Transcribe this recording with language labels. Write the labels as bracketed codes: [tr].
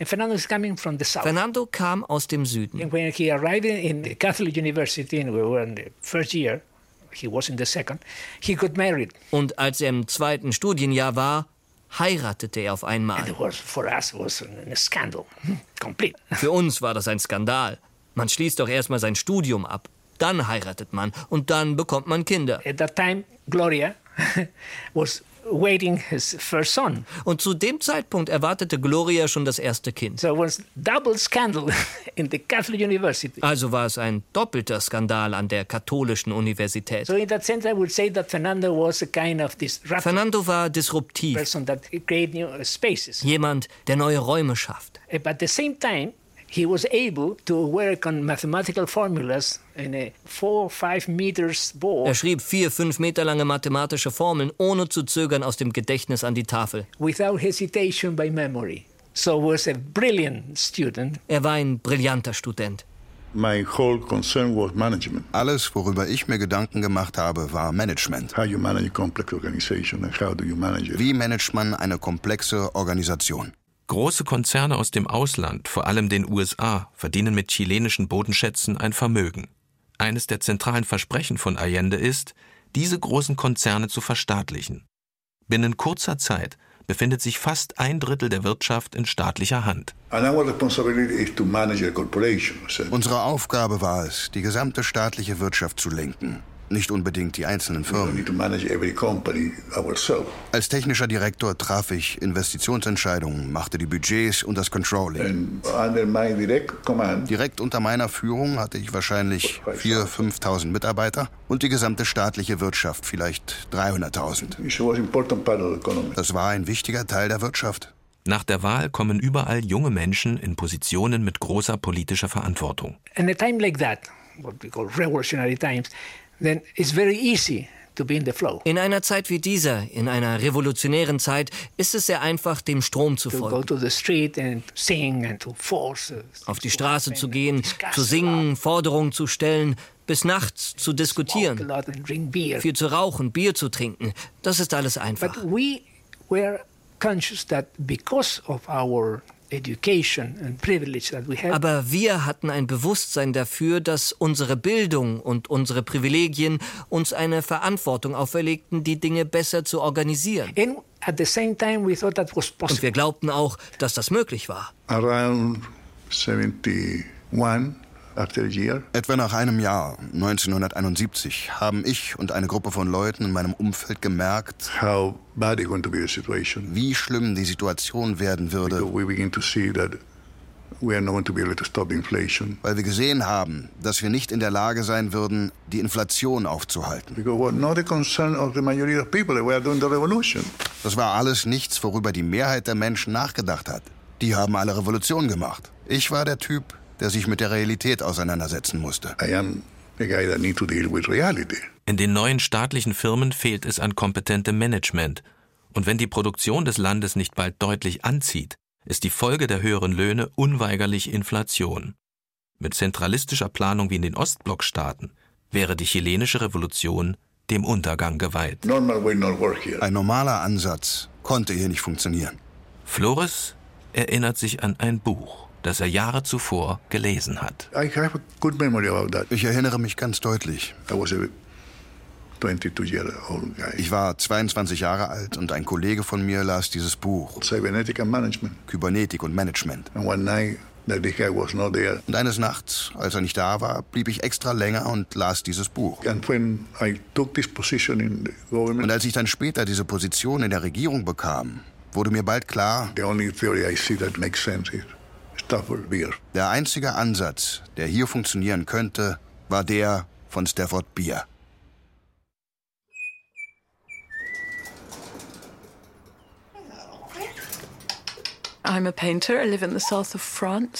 [de] Fernando kam aus dem Süden. Und als er im zweiten Studienjahr war, heiratete er auf einmal. Für uns war das ein Skandal. Man schließt doch erstmal sein Studium ab, dann heiratet man und dann bekommt man Kinder. [en] At that time, Gloria was waiting his first son. [de] Und zu dem Zeitpunkt erwartete Gloria schon das erste Kind. [en] So was double scandal in the Catholic University. [de] Also war es ein doppelter Skandal an der katholischen Universität. [en] So in that sense I would say that Fernando was a kind of disruptive. [de] Fernando war disruptiv. [en] Person that created new spaces. [de] Jemand, der neue Räume schafft. [en] But at the same time he was able to work on mathematical formulas in a 4-5 meters board. [de] Er schrieb 4-5 Meter lange mathematische Formeln, ohne zu zögern, aus dem Gedächtnis an die Tafel. [en] Without hesitation by memory. So was a brilliant student. [de] Er war ein brillanter Student. [en] My whole concern was management. [de] Alles, worüber ich mir Gedanken gemacht habe, war Management. [en] How you manage a complex organization and how do you manage it? [de] Wie managt man eine komplexe Organisation? Große Konzerne aus dem Ausland, vor allem den USA, verdienen mit chilenischen Bodenschätzen ein Vermögen. Eines der zentralen Versprechen von Allende ist, diese großen Konzerne zu verstaatlichen. Binnen kurzer Zeit befindet sich fast ein Drittel der Wirtschaft in staatlicher Hand. Unsere Aufgabe war es, die gesamte staatliche Wirtschaft zu lenken. Nicht unbedingt die einzelnen Firmen. [en] We need to manage every company ourselves. [de] Als technischer Direktor traf ich Investitionsentscheidungen, machte die Budgets und das Controlling. [en] And under my direct command, [de] direkt unter meiner Führung hatte ich wahrscheinlich 4.000-5.000 Mitarbeiter und die gesamte staatliche Wirtschaft vielleicht 300.000. [en] It was an important part of the economy. [de] Das war ein wichtiger Teil der Wirtschaft. Nach der Wahl kommen überall junge Menschen in Positionen mit großer politischer Verantwortung. [en] In a time like that, what we call revolutionary times, then it's very easy to be in the flow. [de] In einer Zeit wie dieser, in einer revolutionären Zeit, ist es sehr einfach, dem Strom zu folgen. [en] To go to the street and sing and to force. [de] Auf die Straße zu gehen, zu singen, Forderungen zu stellen, bis nachts zu diskutieren, viel zu rauchen, Bier zu trinken. Das ist alles einfach. [en] But we were conscious that because of our education and privilege that we have. [de] Aber wir hatten ein Bewusstsein dafür, dass unsere Bildung und unsere Privilegien uns eine Verantwortung auferlegten, die Dinge besser zu organisieren. [en] And at the same time we thought that was possible. [de] Und wir glaubten auch, dass das möglich war. [en] Around 71 after a year. [de] Etwa nach einem Jahr, 1971, haben ich und eine Gruppe von Leuten in meinem Umfeld gemerkt, [en] how bad it's going to be the situation. [de] Wie schlimm die Situation werden würde. [en] Because we begin to see that we are not going to be able to stop inflation. [de] Weil wir gesehen haben, dass wir nicht in der Lage sein würden, die Inflation aufzuhalten. [en] Because we're not the concern of the majority of people, we are doing the revolution. [de] Das war alles nichts, worüber die Mehrheit der Menschen nachgedacht hat. Die haben alle Revolution gemacht. Ich war der Typ, der sich mit der Realität auseinandersetzen musste. [en] I am a guy that need to deal with reality. [de] In den neuen staatlichen Firmen fehlt es an kompetentem Management. Und wenn die Produktion des Landes nicht bald deutlich anzieht, ist die Folge der höheren Löhne unweigerlich Inflation. Mit zentralistischer Planung wie in den Ostblockstaaten wäre die chilenische Revolution dem Untergang geweiht. [en] Normal will not work here. [de] Ein normaler Ansatz konnte hier nicht funktionieren. Flores erinnert sich an ein Buch, das er Jahre zuvor gelesen hat. [en] I have a good memory about that. [de] Ich erinnere mich ganz deutlich. [en] I was a 22-year-old guy. [de] Ich war 22 Jahre alt und ein Kollege von mir las dieses Buch. [en] Cybernetic and Management. [de] Kybernetik und Management. [en] And one night, that this guy was not there. [de] Und eines Nachts, als er nicht da war, blieb ich extra länger und las dieses Buch. [en] And when I took this position in the government. [de] Und als ich dann später diese Position in der Regierung bekam, wurde mir bald klar, [en] the only theory I see that makes sense is. [de] Der einzige Ansatz, der hier funktionieren könnte, war der von Stafford Beer. [en] I'm a painter. I live in the south of France.